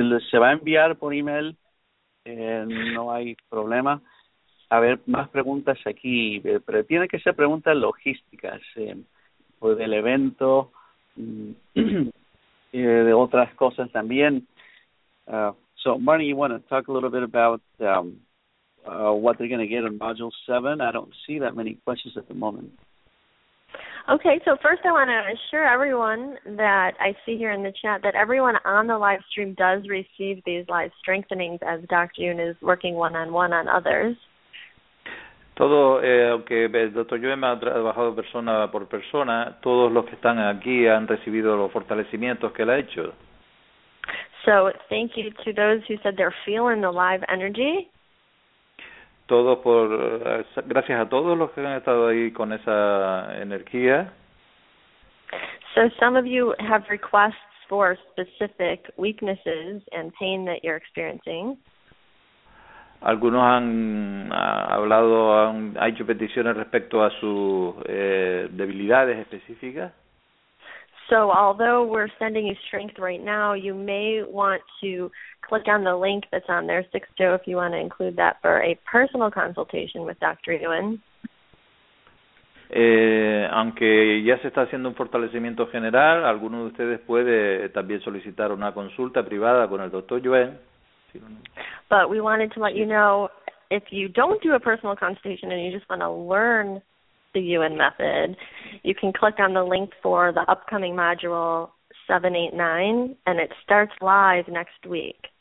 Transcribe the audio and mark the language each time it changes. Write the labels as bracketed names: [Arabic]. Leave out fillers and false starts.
[Spanish] Se va a enviar por email, no hay problema. A ver, más preguntas aquí. Pero tiene que ser preguntas logísticas del evento, de otras cosas también. [English] So, Marnie, you want to talk a little bit about what they're going to get in Module 7? I don't see that many questions at the moment. Okay, so first I want to assure everyone that I see here in the chat that everyone on the live stream does receive these live strengthenings as Dr. Yuan is working one-on-one on others. [Spanish] Todo, aunque el Dr. Yuan ha trabajado persona por persona, todos los que están aquí han recibido los fortalecimientos que él ha hecho. [English] So thank you to those who said they're feeling the live energy. [Spanish] Todos por gracias a todos los que han estado ahí con esa energía. [English] So some of you have requests for specific weaknesses and pain that you're experiencing. [Spanish] Algunos han hablado, han hecho peticiones respecto a sus debilidades específicas. [English] So although we're sending you strength right now, you may want to click on the link that's on there, Sixto, if you want to include that for a personal consultation with Dr. Yuan. [Spanish] Aunque ya se está haciendo un fortalecimiento general, alguno de ustedes puede también solicitar una consulta privada con el Dr. Yuan. [English] But we wanted to let you know, if you don't do a personal consultation and you just want to learn the Yuan method, you can click on the link for the upcoming module 789, and it starts live next week.